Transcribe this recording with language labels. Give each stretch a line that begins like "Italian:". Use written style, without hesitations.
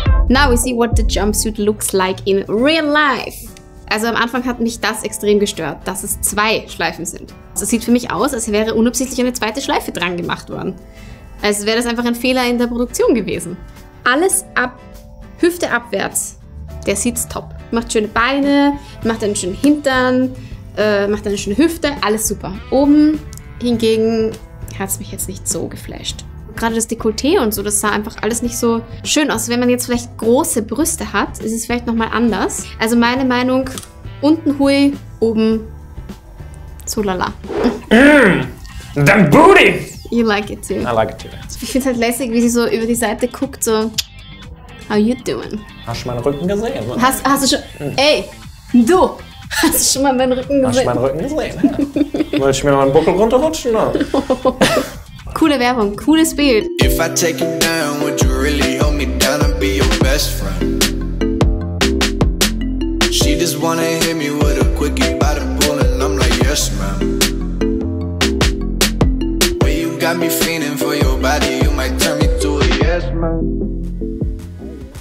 English: Now we see what the jumpsuit looks like in real life.
German: Also am Anfang hat mich das extrem gestört, dass es 2 Schleifen sind. Es sieht für mich aus, als wäre unabsichtlich eine 2. Schleife dran gemacht worden. Als wäre das einfach ein Fehler in der Produktion gewesen. Alles ab Hüfte abwärts, der sitzt top. Macht schöne Beine, macht einen schönen Hintern, macht eine schöne Hüfte, alles super. Oben hingegen hat es mich jetzt nicht so geflasht. Gerade das Dekolleté und so, das sah einfach alles nicht so schön aus. Wenn man jetzt vielleicht große Brüste hat, ist es vielleicht nochmal anders. Also meine Meinung, unten hui, oben so lala. Dann Booty!
English: You like it too. I like it too.
German: Ich finde es halt lässig, wie sie so über die Seite guckt, so,
English: how you doing?
German: Hast du schon meinen Rücken gesehen? Hast du schon, ey, du, hast du schon mal meinen Rücken gesehen? Hast du meinen Rücken gesehen? Wollte ich mir mal einen Buckel runterrutschen? Oder? Coole Werbung, cooles Bild.
English: If I take you down, would you really hold me down and be your best friend? She just wanna hit me with a quickie by the pool and I'm like, yes, ma'am. When you got me feeling for your body, you might turn me to a yes, ma'am.